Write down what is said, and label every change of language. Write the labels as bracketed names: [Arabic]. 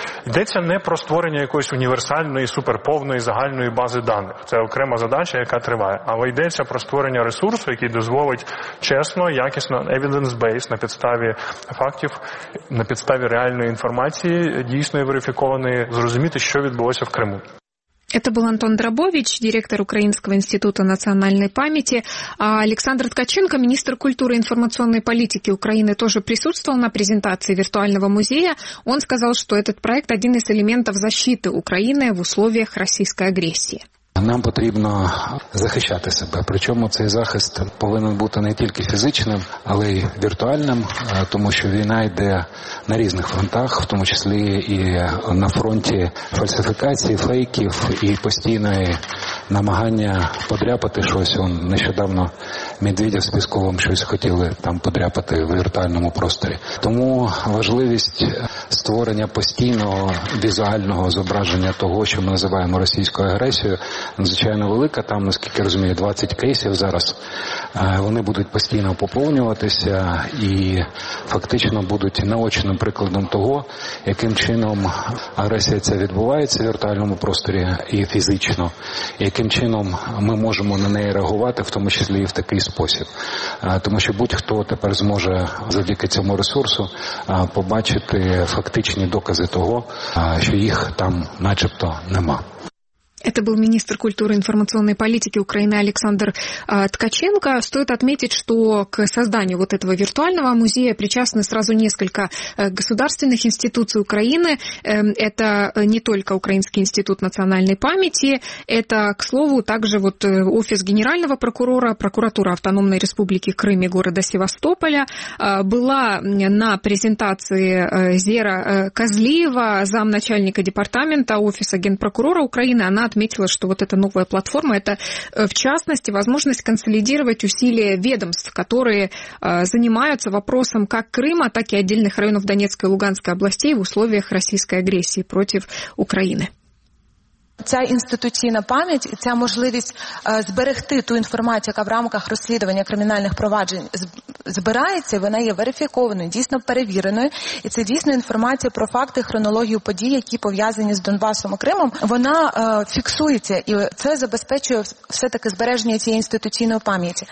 [Ukrainian] Йдеться не про створення якоїсь універсальної, суперповної загальної бази даних. Це окрема задача, яка триває. Але йдеться про створення ресурсу, який дозволить чесно, якісно, evidence-based, на підставі фактів, на підставі реальної інформації, дійсно верифікованої, зрозуміти, що відбулося в Криму. [Russian] Это был Антон Дробович, директор Украинского института национальной памяти. А Александр Ткаченко, министр культуры и информационной политики Украины, тоже присутствовал на презентации виртуального музея. Он сказал, что этот проект – один из элементов защиты Украины в условиях российской агрессии. [Ukrainian] Нам потрібно захищати себе. Причому цей захист повинен бути не тільки фізичним, але й віртуальним, тому що війна йде на різних фронтах, в тому числі і на фронті фальсифікації, фейків і постійної намагання подряпати щось. Он нещодавно Медведєв з Пісковим щось хотіли там подряпати в віртуальному просторі. Тому важливість створення постійного візуального зображення того, що ми називаємо російською агресією, надзвичайно велика. Там, наскільки розумію, 20 кейсів зараз. Вони будуть постійно поповнюватися і фактично будуть наочним прикладом того, яким чином агресія ця відбувається в віртуальному просторі і фізично, і яким чином ми можемо на неї реагувати, в тому числі і в такий спосіб. Тому що будь-хто тепер зможе завдяки цьому ресурсу побачити фактичні докази того, що їх там начебто нема. [Russian] Это был министр культуры и информационной политики Украины Александр Ткаченко. Стоит отметить, что к созданию вот этого виртуального музея причастны сразу несколько государственных институций Украины. Это не только Украинский институт национальной памяти. Это, к слову, также вот офис генерального прокурора, прокуратура Автономной Республики Крым и города Севастополя. Была на презентации Зера Козлиева, замначальника департамента офиса генпрокурора Украины. Она отметила, что вот эта новая платформа – это, в частности, возможность консолидировать усилия ведомств, которые занимаются вопросом как Крыма, так и отдельных районов Донецкой и Луганской областей в условиях российской агрессии против Украины. [Ukrainian] Ця інституційна пам'ять і ця можливість зберегти ту інформацію, яка в рамках розслідування кримінальних проваджень збирається, вона є верифікованою, дійсно перевіреною. І це дійсно інформація про факти, хронологію подій, які пов'язані з Донбасом і Кримом. Вона фіксується, і це забезпечує все-таки збереження цієї інституційної пам'яті.